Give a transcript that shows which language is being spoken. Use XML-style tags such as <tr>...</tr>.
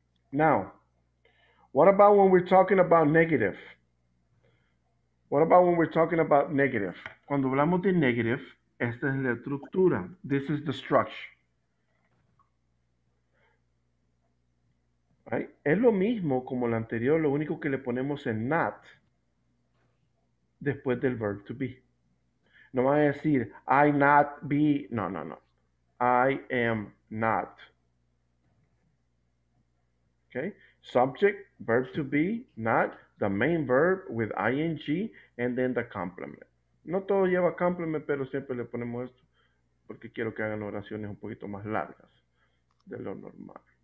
<en>Now, what about when we're talking about negative? What about when we're talking about negative?</en> <es>Cuando hablamos de negative, esta es la estructura.</es> <en>This is the structure.</en> <es>Right? Es lo mismo como la anterior, lo único que le ponemos en not después del verb to be. No va a decir,</es> <en>I not be.</en> <es>No, no, no.</es> <en>I am not. Okay, subject, verb to be, not, the main verb with ing, and then the complement.</en> <es>No todo lleva complement, pero siempre le ponemos esto porque quiero que hagan oraciones un poquito más largas de lo normal.</es>